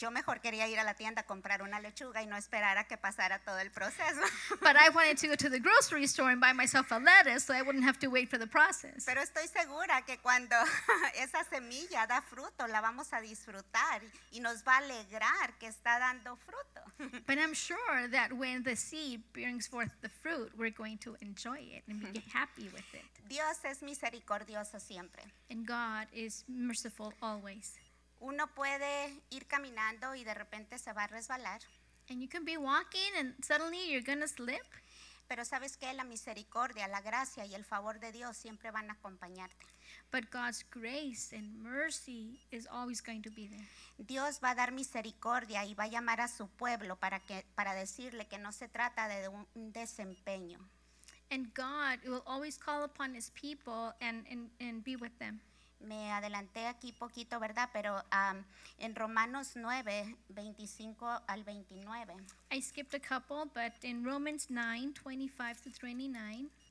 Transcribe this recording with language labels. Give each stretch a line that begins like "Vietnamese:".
Spanish: Yo mejor quería ir a la tienda a comprar una lechuga y no esperar a que pasara todo el proceso.
English: But I wanted to go to the grocery store and buy myself a lettuce so I wouldn't have to wait for the process.
Spanish: Pero estoy segura que cuando esa semilla da fruto, la vamos a disfrutar y nos va a alegrar que está dando fruto.
English: But I'm sure that when the seed brings forth the fruit, we're going to enjoy it and be happy with it.
Spanish: Dios es misericordioso siempre.
English: And God is merciful always.
Spanish: Uno puede ir caminando y de repente se va a resbalar.
English: And you can be walking and suddenly you're going to slip.
Spanish: Pero sabes que la misericordia, la gracia y el favor de Dios siempre van a acompañarte.
English: But God's grace and mercy is always going to be there.
Spanish: Dios va a dar misericordia y va a llamar a su pueblo para decirle que no se trata de un desempeño.
English: And God will always call upon his people and be with them.
Spanish: Me adelanté aquí poquito, ¿verdad? Pero en Romanos 9, 25 al 29.
English: I skipped a couple, but in Romans 9, 25 to 29.